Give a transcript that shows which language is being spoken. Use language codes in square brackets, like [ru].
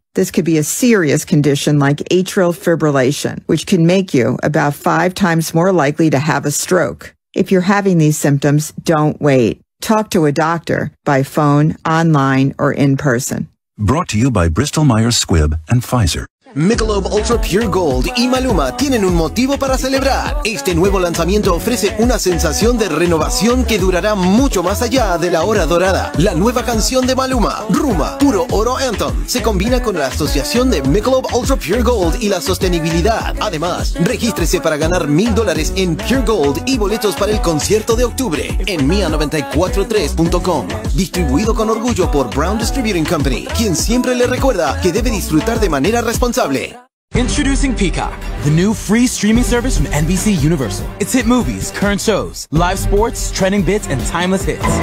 [en] This could be a serious condition like atrial fibrillation, which can make you about 5 times more likely to have a stroke. If you're having these symptoms, don't wait. Talk to a doctor by phone, online, or in person. Brought to you by Bristol-Myers Squibb and Pfizer. [es] Michelob Ultra Pure Gold y Maluma tienen un motivo para celebrar. Este nuevo lanzamiento ofrece una sensación de renovación que durará mucho más allá de la hora dorada. La nueva canción de Maluma, Ruma, puro oro anthem, se combina con la asociación de Michelob Ultra Pure Gold y la sostenibilidad. Además, regístrese para ganar $1,000 en Pure Gold y boletos para el concierto de octubre en mia943.com. Distribuido con orgullo por Brown Distributing Company, quien siempre le recuerda que debe disfrutar de manera responsable. [en] Introducing Peacock, the new free streaming service from NBC Universal. It's hit movies, current shows, live sports, trending bits, and timeless hits.